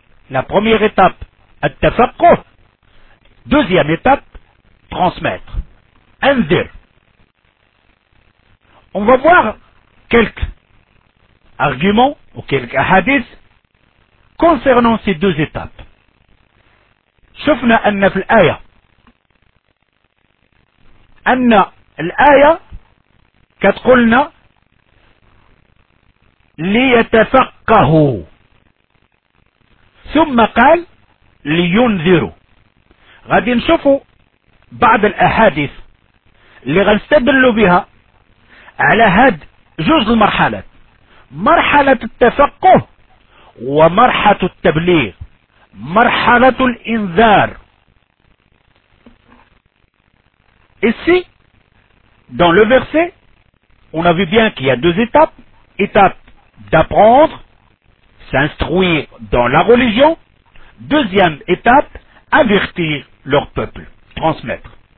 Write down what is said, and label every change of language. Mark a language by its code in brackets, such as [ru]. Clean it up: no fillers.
[fr] La première étape, at-tafaqquh. Deuxième étape, transmettre. On va voir quelques arguments ou quelques hadiths concernant ces deux étapes. [ar] شفنا أن في الآية أن الآية كتقولنا ليتفقهوا ثم قال لينذروا. غادي نشوفوا بعض الأحاديث اللي غنستدلوا بها على هاد جزء المرحلات، مرحلة التفقه ومرحلة التبليغ، مرحلة الإنذار. [fr] Ici, dans le verset, on a vu bien qu'il y a deux étapes. Étape d'apprendre, s'instruire dans la religion. Deuxième étape, avertir leur peuple, transmettre.